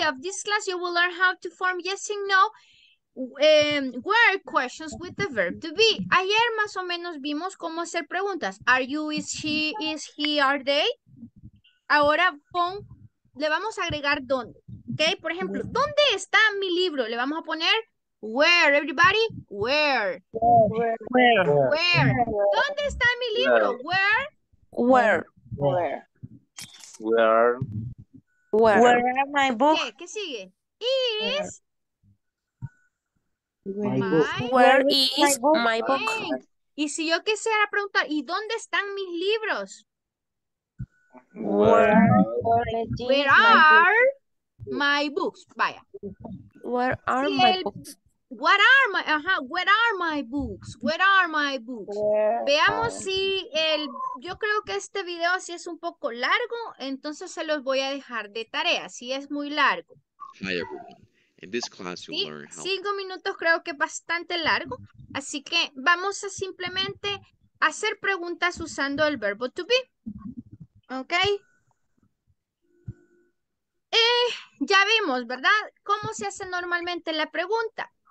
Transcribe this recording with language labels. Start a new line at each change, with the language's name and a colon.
English: Of this class, you will learn how to form yes and no where questions with the verb to be.
Spanish: Ayer más o menos vimos cómo hacer preguntas.
English: Are you, is she, is he, are they?
Spanish: Ahora pon, le vamos a agregar dónde. Okay, por ejemplo, ¿dónde está mi libro? Le vamos a poner where, everybody. Where.
English: Where.
Spanish: Where. ¿Dónde está mi libro? Where.
English: Where. Where. Where. Where. Where are my book?
Spanish: ¿Qué sigue? Is.
English: Where is my book?
Spanish: Y si yo quisiera preguntar, ¿y dónde están mis libros?
English: Where are. My books, vaya. Where are my books? What are my, where are my books? Where are my books?
Spanish: Veamos si el, yo creo que este video sí es un poco largo, entonces se los voy a dejar de tarea, si es muy largo.
English: Hi everyone, in this class you'll learn how.
Spanish: 5 minutos creo que es bastante largo, así que vamos a simplemente hacer preguntas usando el verbo to be, ¿ok? Ya vimos, ¿verdad? ¿Cómo se hace normalmente la pregunta?